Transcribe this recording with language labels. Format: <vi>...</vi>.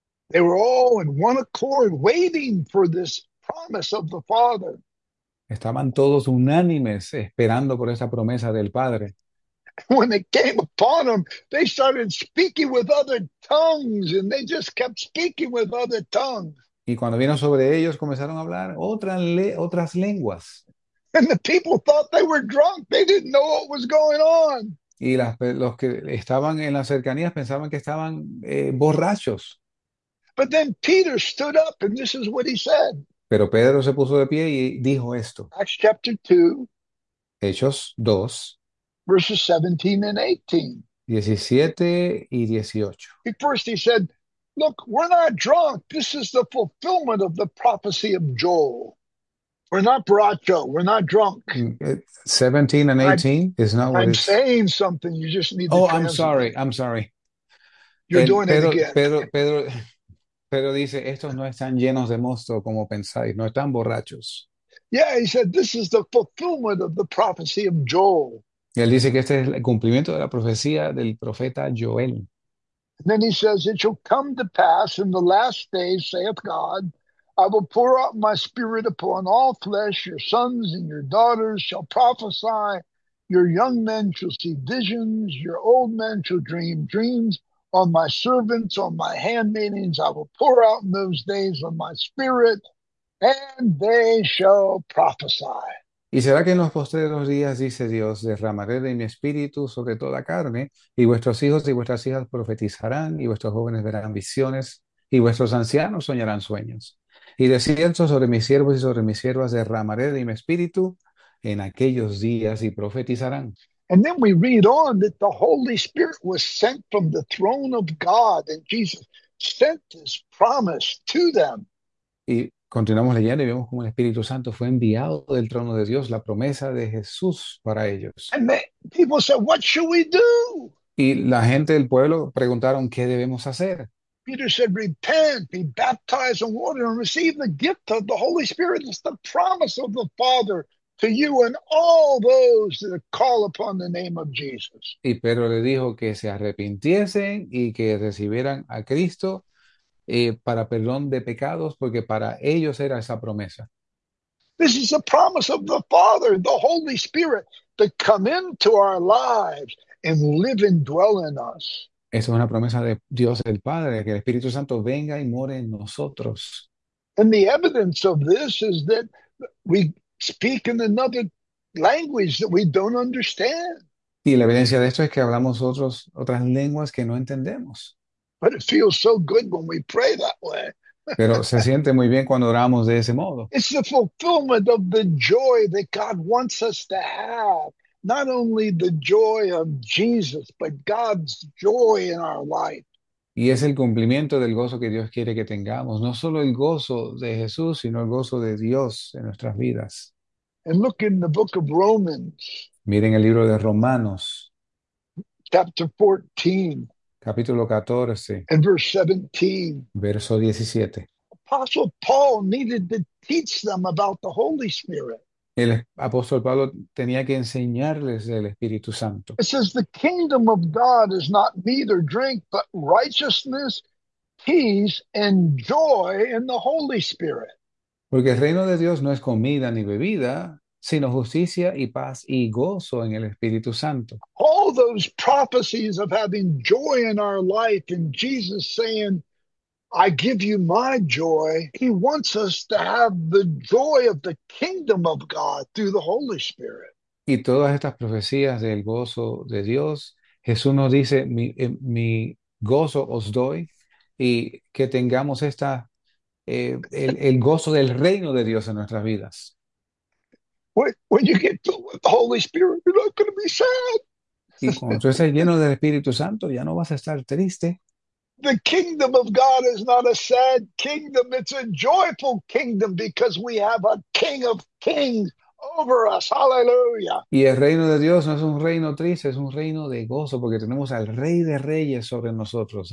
<en>they were all in one accord waiting for this promise of the Father.</en> <es>estaban todos unánimes esperando por esa promesa del Padre.</es> <en>When it came upon them, they started speaking with other tongues, and they just kept speaking with other tongues.</en> <es>Y cuando vino sobre ellos, comenzaron a hablar otras lenguas.</es> <en>And the people thought they were drunk. They didn't know what was going on.</en> <es>Y los que estaban en las cercanías pensaban que estaban borrachos.</es> <en>But then Peter stood up, and this is what he said.</en> <es>Pero Pedro se puso de pie y dijo esto.</es> <en>Acts chapter 2.</en> <es>Hechos 2,</es> <en>Verses 17 and 18.</en> <es>17 y 18.</es> <en>He said, look, we're not drunk. This is the fulfillment of the prophecy of Joel. We're not borracho. We're not drunk. 17 and 18 is not what I'm it's. saying something. You just need to Oh, I'm sorry. translate. I'm sorry. You're doing it again.</en> <es>Pedro dice: estos no están llenos de mosto como pensáis, no están borrachos.</es> <en>Yeah, he said, this is the fulfillment of the prophecy of Joel.</en> <es>Y él dice que este es el cumplimiento de la profecía del profeta Joel.</es> <en>Then he says, it shall come to pass in the last days, saith God, I will pour out my spirit upon all flesh. Your sons and your daughters shall prophesy. Your young men shall see visions. Your old men shall dream dreams. On my servants, on my handmaidens, I will pour out in those days of my spirit, and they shall prophesy.</en> <es>Y será que en los postreros días, dice Dios, derramaré de mi espíritu sobre toda carne, y vuestros hijos y vuestras hijas profetizarán, y vuestros jóvenes verán visiones, y vuestros ancianos soñarán sueños. Y de cierto sobre mis siervos y sobre mis siervas derramaré de mi espíritu en aquellos días y profetizarán.</es> <en>And then we read on that the Holy Spirit was sent from the throne of God, and Jesus sent his promise to them.</en> <es>Y continuamos leyendo y vemos cómo el Espíritu Santo fue enviado del trono de Dios, la promesa de Jesús para ellos.</es> <en>And people said, what should we do?</en> <es>Y la gente del pueblo preguntaron, ¿qué debemos hacer?</es> <en>Peter said, repent, be baptized in water, and receive the gift of the Holy Spirit. It's the promise of the Father to you and all those that call upon the name of Jesus.</en> <es>Y Pedro le dijo que se arrepintiesen y que recibieran a Cristo. Para perdón de pecados, porque para ellos era esa promesa.</es> <en>This is the promise of the Father, the Holy Spirit, to come into our lives and live and dwell in us.</en> <es>Es una promesa de Dios el Padre, que el Espíritu Santo venga y more en nosotros.</es> <en>And the evidence of this is that we speak in another language that we don't understand.</en> <es>Y la evidencia de esto es que hablamos otras lenguas que no entendemos.</es> <en>But it feels so good when we pray that way.</en> <es>Pero se siente muy bien cuando oramos de ese modo.</es> <en>It's the fulfillment of the joy that God wants us to have. Not only the joy of Jesus, but God's joy in our life.</en> <es>Y es el cumplimiento del gozo que Dios quiere que tengamos, no solo el gozo de Jesús, sino el gozo de Dios en nuestras vidas.</es> <en>And look in the book of Romans,</en> <es>Miren el libro de Romanos.</es> <en>chapter 14</en> <es>Capítulo 14,</es> <en>and verse 17.</en> <es>verso 17.</es> <en>Apostle Paul needed to teach them about the Holy Spirit.</en> <es>El apóstol Pablo tenía que enseñarles del Espíritu Santo.</es> <en>It says, the kingdom of God is not meat or drink, but righteousness, peace, and joy in the Holy Spirit.</en> <es>Porque el reino de Dios no es comida ni bebida, sino justicia y paz y gozo en el Espíritu Santo.</es> <en>All those prophecies of having joy in our life and Jesus saying, I give you my joy. He wants us to have the joy of the kingdom of God through the Holy Spirit.</en> <es>Y todas estas profecías del gozo de Dios, Jesús nos dice, mi gozo os doy y que tengamos esta el gozo del reino de Dios en nuestras vidas.</es> <en>When you get filled with the Holy Spirit, you're not going to</en> <es>Y</es> <en>be</en> <es>cuando</es> <en>sad.</en> <es>tú estés lleno del Espíritu Santo, ya no vas a estar triste.</es> <en>The kingdom of God is not a sad kingdom. It's a joyful kingdom because we have a king of kings over us. Hallelujah.</en> <es>Y el reino de Dios no es un reino triste, es un reino de gozo, porque tenemos al Rey de Reyes sobre nosotros.</es>